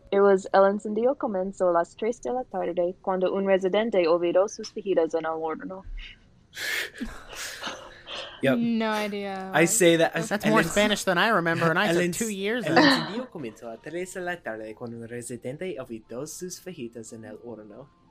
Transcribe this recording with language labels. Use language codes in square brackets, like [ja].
[en] It was, [es] El incendio comenzó a las tres de la tarde cuando un residente olvidó sus fajitas en el horno. [en] Yep. No idea. I say that. That's more Spanish than I remember, and I said 2 years ago. [es] El incendio comenzó a tres de la tarde cuando un residente olvidó sus fajitas en el horno.